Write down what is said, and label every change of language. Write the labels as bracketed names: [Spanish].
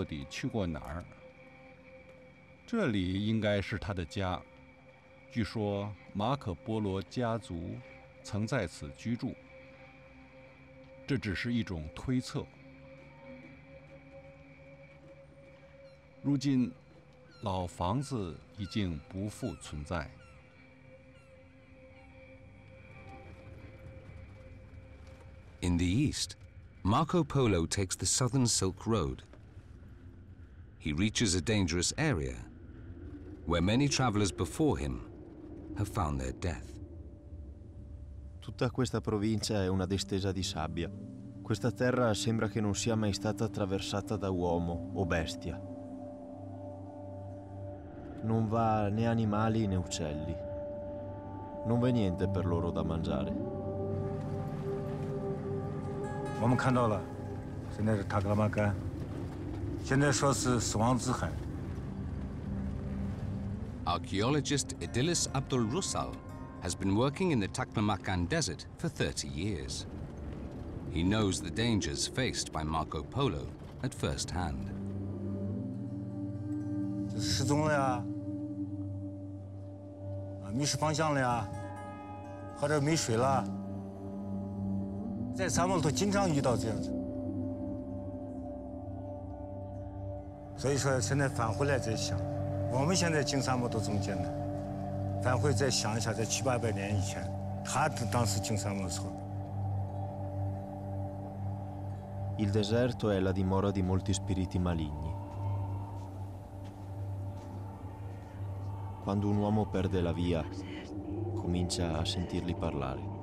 [Chinese] 我们知道他，但却不了解他。在威尼斯，没有人知道他到底去过哪儿。这里应该是他的家。据说马可波罗家族曾在此居住，这只是一种推测。如今，老房子已经不复存在。 [English] In the east, Marco Polo takes the Southern Silk Road. He reaches a dangerous area where many travelers before him have found their death. [Italian] Tutta questa provincia è una distesa di sabbia. Questa terra sembra che non sia mai stata attraversata da uomo o bestia. Non va né animali né uccelli. Non v'è niente per loro da mangiare. [Chinese] 我们看到了，现在是塔克拉玛干，现在说是死亡之海。 [English] Archaeologist Idilis Abdul Rusal has been working in the Taklamakan desert for 30 years. He knows the dangers faced by Marco Polo at first hand. [Chinese] 这失踪了呀，啊，迷失方向了呀，或者没水了。在沙漠里头经常遇到这样子，所以说现在返回来再想，我们现在进沙漠都这么艰难，返回再想一下，在七八百年以前，他当时进沙漠的时候。 [Italian] Il deserto è la dimora di molti spiriti maligni. Quando un uomo perde la via, comincia a sentirli parlare.